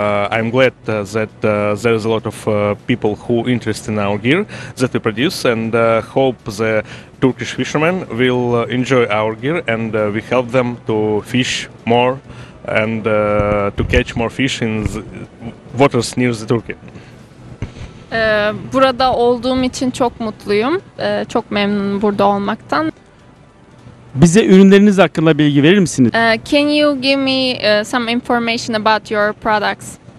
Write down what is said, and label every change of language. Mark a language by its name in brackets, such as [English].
[English] I'm glad that there is a lot of people who are interested in our gear that we produce, and hope the Turkish fishermen will enjoy our gear and we help them to fish more and to catch more fish in the waters near the Turkey. [Turkish] Burada olduğum için çok mutluyum. Çok memnunum burada olmaktan. Bize ürünleriniz hakkında bilgi verir misiniz? [English] Can you give me some information about your products?